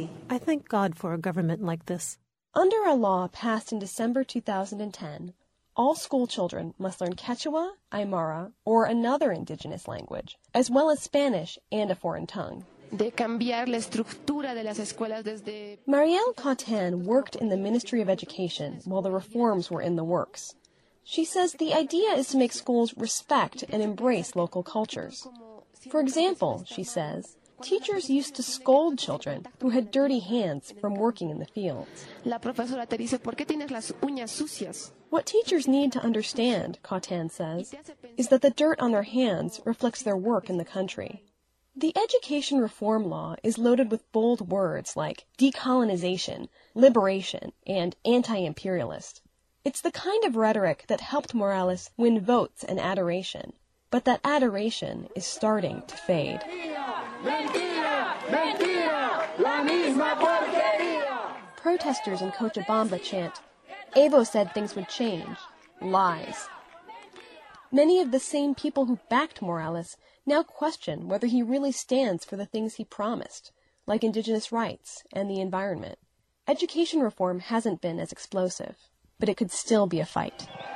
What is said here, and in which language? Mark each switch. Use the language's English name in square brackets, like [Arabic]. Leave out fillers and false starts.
[English] I thank God for a government like this. Under a law passed in December 2010, all school children must learn Quechua, Aymara, or another indigenous language, as well as Spanish and a foreign tongue. [Spanish] De cambiar la estructura de las escuelas desde... [English] Mariel Cotan worked in the Ministry of Education while the reforms were in the works. She says the idea is to make schools respect and embrace local cultures. For example, she says, teachers used to scold children who had dirty hands from working in the fields. [Spanish] La profesora te dice, ¿por qué tienes las uñas sucias? [English] What teachers need to understand, Cotan says, is that the dirt on their hands reflects their work in the country. The education reform law is loaded with bold words like decolonization, liberation, and anti-imperialist. It's the kind of rhetoric that helped Morales win votes and adoration. But that adoration is starting to fade. [Spanish] Mentira, mentira, la misma porquería. [English] Protesters in Cochabamba chant, Evo said things would change. Lies. Many of the same people who backed Morales now question whether he really stands for the things he promised, like indigenous rights and the environment. Education reform hasn't been as explosive, but it could still be a fight.